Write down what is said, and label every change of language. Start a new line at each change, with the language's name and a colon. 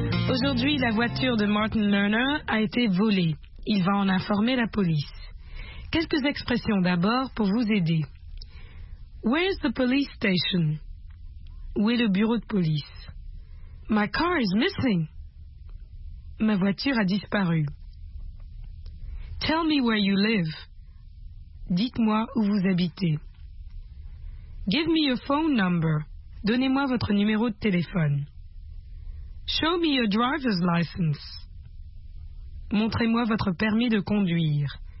French: Aujourd'hui, la voiture de Martin Lerner a été volée. Il va en informer la police. Quelques expressions d'abord pour vous aider.
English: Where's the police station?
French: Où est le bureau de police?
English: My car is missing.
French: Ma voiture a disparu.
English: Tell me where you live.
French: Dites-moi où vous habitez.
English: Give me your phone number.
French: Donnez-moi votre numéro de téléphone.
English: Show me your driver's license.
French: Montrez-moi votre permis de conduire.